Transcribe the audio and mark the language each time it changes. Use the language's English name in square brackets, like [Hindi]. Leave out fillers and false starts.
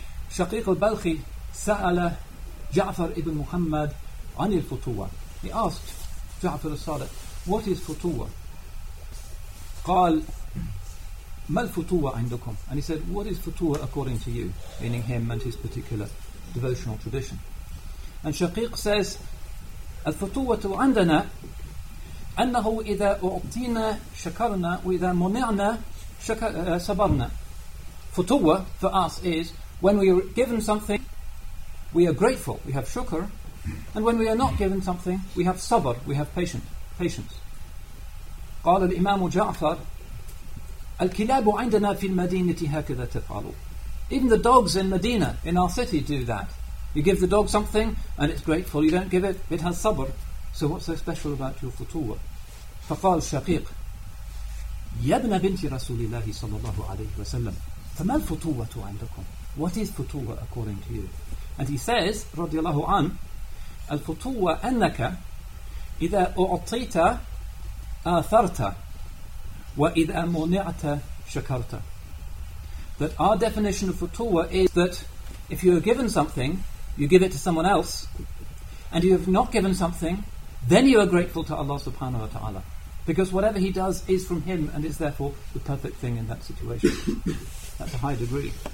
[Arabic] Shaqiq al-Balkhi sa'ala Ja'far ibn Muhammad anil futuwa. [English] He asked Ja'far al-Sadiq, what is futuwa? [Arabic] Qal mal futuwa indukum? [English] And he said, what is futuwa according to you? Meaning him and his particular devotional tradition. And Shaqiq says, [Arabic] الفتوة عندنا أنه إذا أعطينا شكرنا وإذا منعنا صبرنا. [English] فتوة for us is when we are given something we are grateful, we have shukr, and when we are not given something we have sabr, we have patience. [Arabic] قال الإمام جعفر الكلاب عندنا في المدينة هكذا تفعلوا. [English] Even the dogs in Medina, in our city, do that. You give the dog something and it's grateful. You don't give it, it has sabr. So what's so special about your futuwa? [Arabic] فقال شقيق يبنى بنتي رسول الله صلى الله عليه وسلم فما الفتوة عندكم؟ [English] What is futuwa according to you? And he says, [Arabic] رضي الله عنه, الفتوة أنك إذا أعطيت آثرت وإذا منعت شكرت. [English] That our definition of futuwa is that if you are given something, you give it to someone else, and you have not given something, then you are grateful to Allah subhanahu wa ta'ala. Because whatever he does is from him, and is therefore the perfect thing in that situation. That's a high degree.